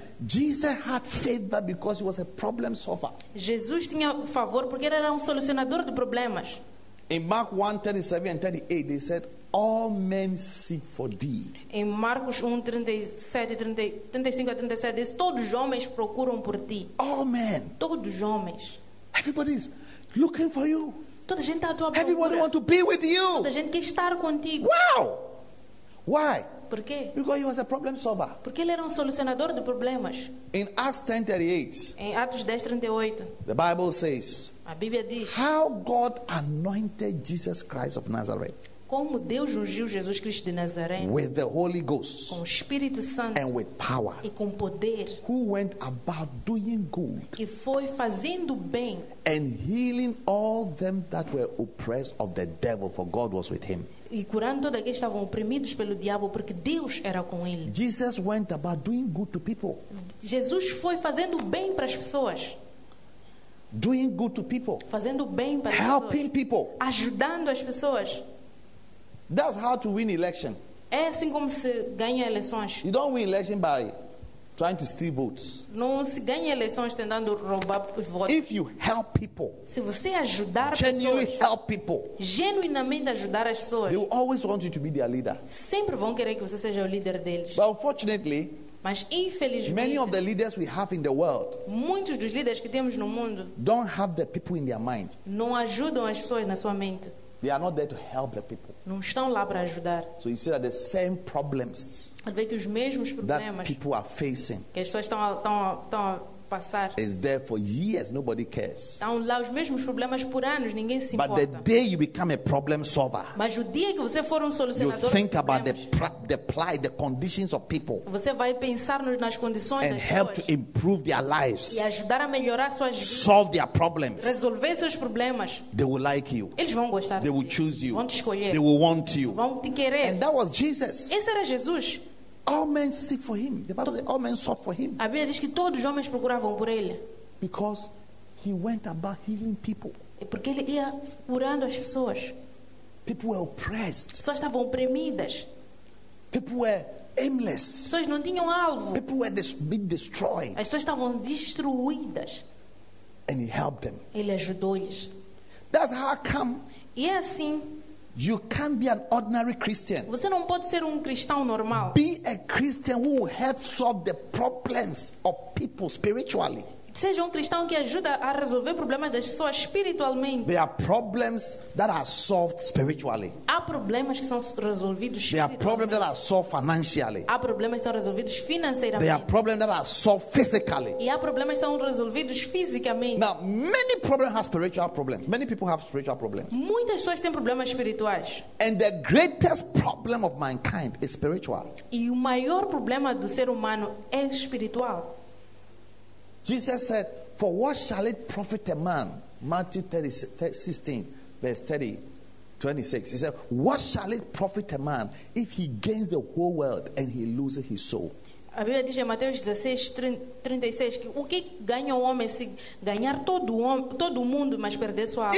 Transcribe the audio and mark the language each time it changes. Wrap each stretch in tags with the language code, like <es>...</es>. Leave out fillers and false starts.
<en>Jesus had favor because he was a problem solver.</en> <pt>Jesus tinha favor porque ele era solucionador de problemas.</pt> <en>In Mark 1:37 and 38, they said, all men seek for thee.</en> <pt>Em Marcos 1:37, 35 a 37, diz, todos os homens procuram por ti.</pt> <en>All men.</en> <pt>Todos os homens.</pt> <en>Everybody is looking for you.</en> <pt>Toda a gente está à tua procura.</pt> <en>Everybody want to be with you.</en> <pt>Toda a gente quer estar contigo.</pt> <en>Wow. Why?</en> <pt>Por quê?</pt> <en>Because he was a problem solver.</en> <pt>Porque ele era solucionador de problemas.</pt> <en>In Acts 10:38.</en> <pt>Em Atos 10:38.</pt> <en>The Bible says.</en> <pt>A Bíblia diz.</pt> <en>How God anointed Jesus Christ of Nazareth.</en> <pt>Como Deus ungiu Jesus Cristo de Nazaré.</pt> <en>With the Holy Ghost.</en> <pt>Com o Espírito Santo.</pt> <en>And with power.</en> <pt>E com poder.</pt> <en>Who went about doing good.</en> <pt>E foi fazendo bem.</pt> <en>And healing all them that were oppressed of the devil, for God was with him.</en> <pt>E curando todos aqueles que estavam oprimidos pelo diabo, porque Deus era com ele.</pt> <en>Jesus went about doing good to people.</en> <pt>Jesus foi fazendo bem para as pessoas.</pt> <en>Doing good to people.</en> <pt>Fazendo bem para as</pt> <en>helping</en> <pt>pessoas.</pt> <en>People.</en> <pt>Ajudando as pessoas.</pt> <en>That's how to win election.</en> <pt>É assim como se ganha eleições.</pt> <en>You don't win election by trying to steal votes.</en> <pt>Não se ganha eleições tentando roubar votos.</pt> <en>If you help people,</en> <pt>se você ajudar</pt> <en>genuinely</en> <pt>pessoas,</pt> <en>help people,</en> <pt>genuinamente ajudar as pessoas,</pt> <en>they will always want you to be their leader.</en> <pt>Sempre vão querer que você seja o líder deles.</pt> <en>But unfortunately,</en> <pt>mas infelizmente,</pt> <en>many of the leaders we have in the world,</en> <pt>muitos dos líderes que temos no mundo,</pt> <en>don't have the people in their mind.</en> <pt>Não ajudam as pessoas na sua mente.</pt> <en>They are not there to help the people.</en> <pt>Não estão lá para ajudar.</pt> <en>So you see that the same problems,</en> <pt>vê que os mesmos problemas</pt> <en>that people are facing,</en> <pt>que as pessoas estão a passar,</pt> <en>is there for years, nobody cares.</en> <pt>Estão lá os mesmos problemas por anos, ninguém se</pt> <en>but</en> <pt>importa.</pt> <en>The day you become a problem solver,</en> <pt>mas o dia que você for solucionador,</pt> <en>you think about the plight, the conditions of people,</en> <pt>você vai pensar nas condições</pt> <en>and help</en> <pt>pessoas,</pt> <en>to improve their lives,</en> <pt>e ajudar a melhorar suas vidas,</pt> <en>solve their problems,</en> <pt>resolver seus problemas.</pt> <en>They will like you.</en> <pt>Eles vão gostar.</pt> <en>They will choose you.</en> <pt>Vão te escolher.</pt> <en>They will want you.</en> <pt>Vão te querer.</pt> <en>And that was Jesus.</en> <pt>Esse era Jesus.</pt> <en>All men seek for him. The Bible says all men sought for him.</en> <pt>A Bíblia diz que todos os homens procuravam por ele.</pt> <en>Because he went about healing people.</en> <pt>Porque ele ia curando as pessoas.</pt> <en>People were oppressed.</en> <pt>Pessoas estavam oprimidas.</pt> <en>People were aimless.</en> <pt>Pessoas não tinham alvo.</pt> <en>People were being destroyed.</en> <pt>As pessoas estavam destruídas.</pt> <en>And he helped them.</en> <pt>Ele ajudou-lhes.</pt> <en>That's how come.</en> <pt>E é assim.</pt> <en>You can't be an ordinary Christian.</en> <pt>Você não pode ser cristão normal.</pt> <en>Be a Christian who helps solve the problems of people spiritually.</en> <pt>Seja cristão que ajuda a resolver problemas das pessoas espiritualmente.</pt> <en>There are problems that are solved spiritually.</en> <pt>Há problemas que são resolvidos espiritualmente.</pt> <en>There are problems that are solved financially.</en> <pt>Há problemas que são resolvidos financeiramente.</pt> <en>There are problems that are solved physically.</en> <pt>E há problemas que são resolvidos fisicamente.</pt> <en>Now, many problems have spiritual problems. Many people have spiritual problems.</en> <pt>Muitas pessoas têm problemas espirituais.</pt> <en>And the greatest problem of mankind is spiritual.</en> <pt>E o maior problema do ser humano é espiritual.</pt> <en>Jesus said, "For what shall it profit a man?" Matthew 16:26. He said, "What shall it profit a man if he gains the whole world and he loses his soul?"</en> <pt>A Bíblia diz em Mateus 16:36 que o que ganha o homem se ganhar todo o mundo, mas perder sua alma?</pt>